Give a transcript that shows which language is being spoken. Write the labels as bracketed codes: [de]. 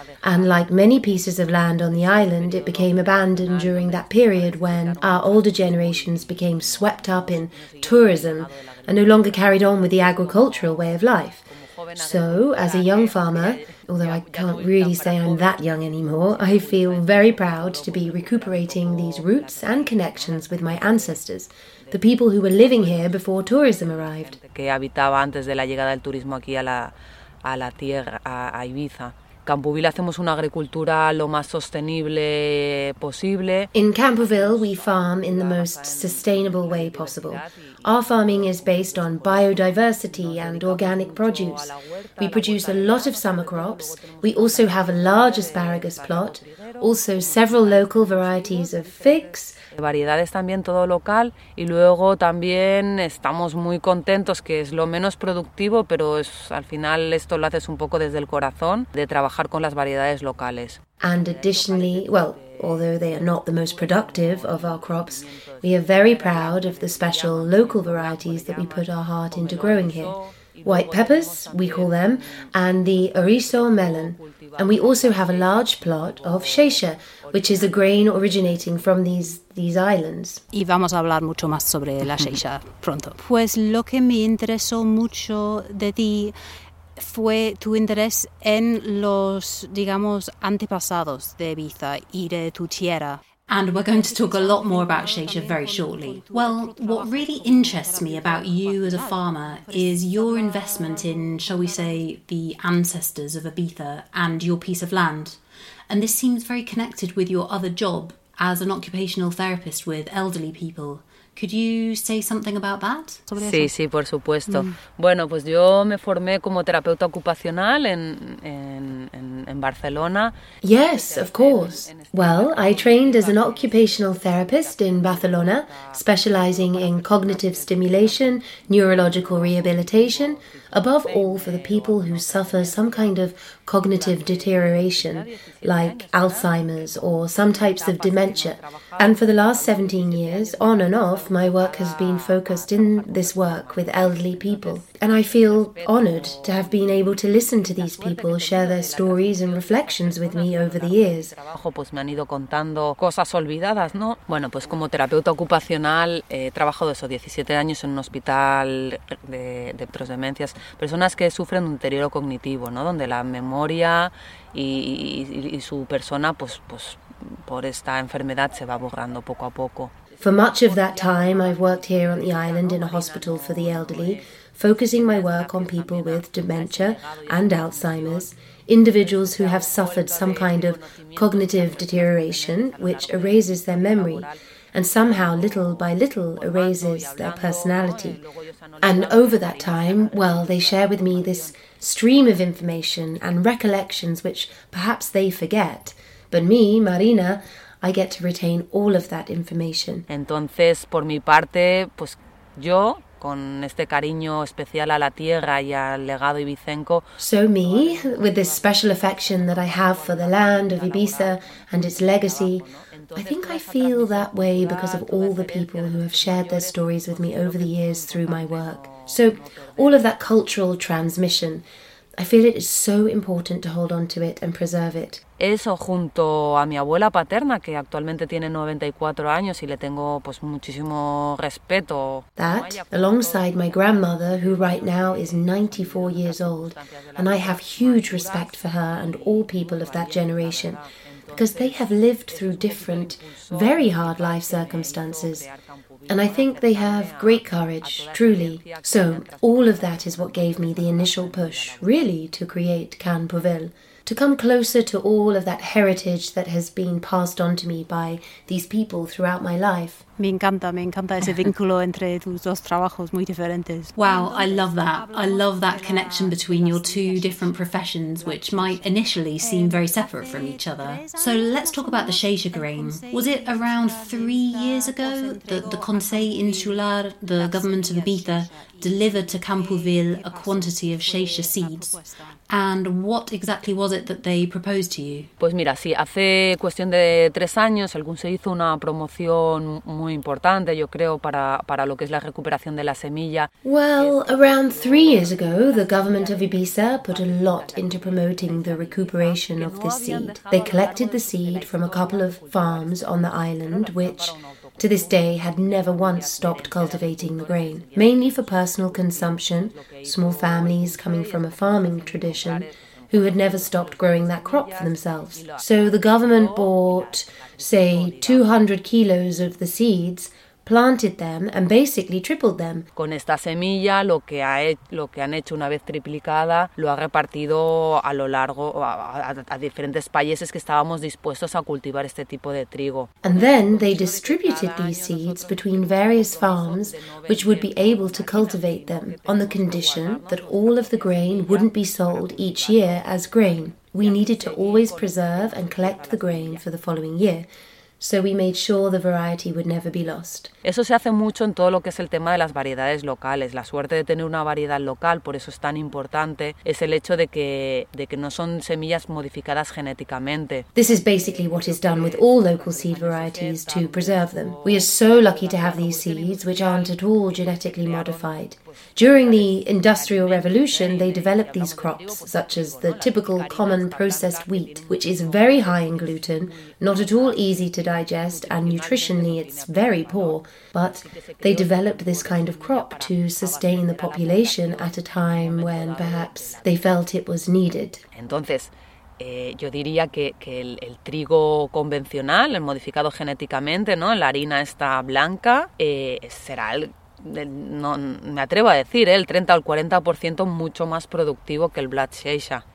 [en] And like many pieces of land on the island, it became abandoned during that period when our older generations became swept up in tourism and no longer carried on with the agricultural way of life. So, as a young farmer, although I can't really say I'm that young anymore, I feel very proud to be recuperating these roots and connections with my ancestors, the people who were living here before tourism arrived. [es] Que habitaba antes de la llegada del turismo aquí a la tierra, a Ibiza. Campoville hacemos una agricultura lo más sostenible posible. [en] In Campoville, we farm in the most sustainable way possible. Our farming is based on biodiversity and organic produce. We produce a lot of summer crops. We also have a large asparagus plot, also several local varieties of figs. [es] Variedades también todo local y luego también estamos muy contentos que es lo menos productivo pero es al final esto lo haces un poco desde el corazón de trabajar con las variedades locales. [en] And additionally, well, although they are not the most productive of our crops, we are very proud of the special local varieties that we put our heart into growing here. White peppers, we call them, and the orizo melon. And we also have a large plot of Xeixa, which is a grain originating from these islands. [es] Y vamos a hablar mucho más sobre la Xeixa pronto. Pues lo que me interesó mucho de ti fue tu interés en los, digamos, antepasados de Ibiza y de tu tierra. [en] And we're going to talk a lot more about Xeixa very shortly. Well, what really interests me about you as a farmer is your investment in, shall we say, the ancestors of Ibiza and your piece of land. And this seems very connected with your other job as an occupational therapist with elderly people. Could you say something about that? [es] Sí, sí, por supuesto. Bueno, pues yo me formé como terapeuta ocupacional en Barcelona. [en] Yes, of course. Well, I trained as an occupational therapist in Barcelona, specializing in cognitive stimulation, neurological rehabilitation, above all for the people who suffer some kind of cognitive deterioration, like Alzheimer's or some types of dementia. And for the last 17 years, on and off, my work has been focused in this work with elderly people. And I feel honored to have been able to listen to these people share their stories and reflections with me over the years. [es] Pues me han ido contando cosas olvidadas, ¿no? Bueno, pues como terapeuta ocupacional he trabajado esos 17 años en un hospital de demencias, personas que sufren un deterioro cognitivo, ¿no? Donde la memoria y su persona, pues por esta enfermedad se va borrando poco a poco. [en] For much of that time, I've worked here on the island in a hospital for the elderly, focusing my work on people with dementia and Alzheimer's, individuals who have suffered some kind of cognitive deterioration, which erases their memory, and somehow, little by little, erases their personality. And over that time, well, they share with me this stream of information and recollections which perhaps they forget. But me, Marina, I get to retain all of that information. [es] Entonces, por mi parte, pues yo, con este cariño especial a la tierra y al legado Ibicenco. [en] So me, with this special affection that I have for the land of Ibiza and its legacy, I think I feel that way because of all the people who have shared their stories with me over the years through my work. So, all of that cultural transmission, I feel it is so important to hold on to it and preserve it. [es] Eso junto a mi abuela paterna, que actualmente tiene 94 años y le tengo pues muchísimo respeto. [en] That, alongside my grandmother, who right now is 94 years old, and I have huge respect for her and all people of that generation, because they have lived through different, very hard life circumstances. And I think they have great courage, truly. So, all of that is what gave me the initial push, really, to create Can Pouville. To come closer to all of that heritage that has been passed on to me by these people throughout my life. [es] Me encanta ese vínculo entre tus dos trabajos muy diferentes. [en] Wow, I love that. I love that connection between your two different professions, which might initially seem very separate from each other. So let's talk about the Xeixa grain. Was it around 3 years ago that the Conseil Insular, the government of Ibiza, delivered to Campoville a quantity of Xeixa seeds? And what exactly was it that they proposed to you? [es] Pues mira, sí, hace cuestión de 3 años el Conseil hizo una promoción muy importante, yo creo, para lo que es la recuperación de la semilla. [en] Well, around 3 years ago, the government of Ibiza put a lot into promoting the recuperation of this seed. They collected the seed from a couple of farms on the island, which to this day had never once stopped cultivating the grain, mainly for personal consumption, small families coming from a farming tradition who had never stopped growing that crop for themselves. So the government bought, say, 200 kilos of the seeds, planted them and basically tripled them. [es] Con esta semilla, lo que han hecho una vez triplicada, lo ha repartido a lo largo a diferentes países que estábamos dispuestos a cultivar este tipo de trigo. [en] And then they distributed these seeds between various farms which would be able to cultivate them on the condition that all of the grain wouldn't be sold each year as grain. We needed to always preserve and collect the grain for the following year. So we made sure the variety would never be lost. [es] Eso se hace mucho en todo lo que es el tema de las variedades locales. La suerte de tener una variedad local, por eso es tan importante, es el hecho de que no son semillas modificadas genéticamente. [en] This is basically what is done with all local seed varieties to preserve them. We are so lucky to have these seeds, which aren't at all genetically modified. During the Industrial Revolution, they developed these crops, such as the typical common processed wheat, which is very high in gluten, not at all easy to digest, and nutritionally it's very poor. But they developed this kind of crop to sustain the population at a time when perhaps they felt it was needed. [es] Entonces, yo diría que el trigo convencional, el modificado genéticamente, ¿no? La harina está blanca, será el, no me atrevo a decir, el 30 o 40% mucho más productivo que el Black Xeixa.